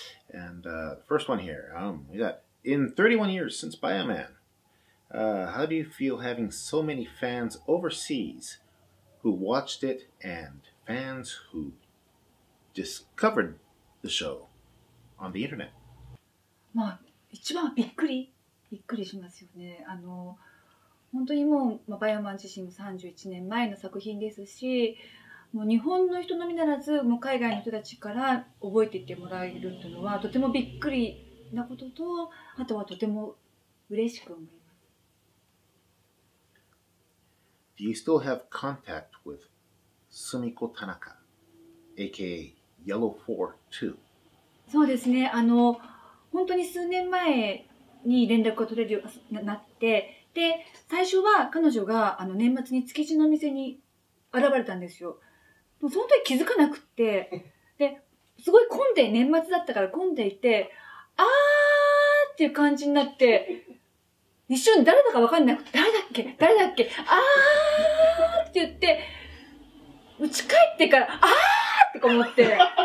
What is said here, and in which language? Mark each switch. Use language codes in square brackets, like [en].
[en] And first one here, we got, in 31 years since Bioman, how do you feel having so many fans overseas who watched it and fans who discovered the show on the internet? [ja] まあ一番びっくりしますよね。あの本当にもう、まあ、バイオマン自身も31年前の作品ですし、もう日本の人のみならずもう海外の人たちから覚えていってもらえるというのはとてもびっくりなことと、あとはとても嬉しく思います。 [en] Do you still have contact with Sumiko Tanaka aka Yellow 42? [ja] そうですね、あの本当に数年前に連絡が取れるようになって、で最初は彼女があの年末に築地の店に現れたんですよ。もうその時気づかなくて、ですごい混んで、年末だったから混んでいて、あーっていう感じになって、一瞬誰だか分かんなくて、誰だっけあーって言って、うち帰ってからあーって思って